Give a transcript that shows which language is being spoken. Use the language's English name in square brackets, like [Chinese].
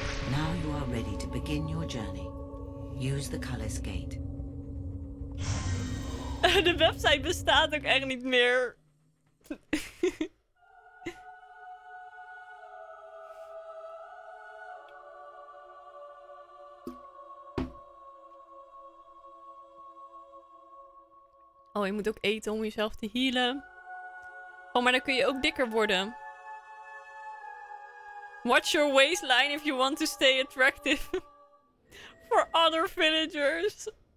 [English] Now you are ready to begin your journey. Use the Cullis Gate. [Dutch] De website bestaat ook echt niet meer. Oh, je moet ook eten om jezelf te healen. Oh, maar dan kun je ook dikker worden. [English] Watch your waistline if you want to stay attractive for other villagers.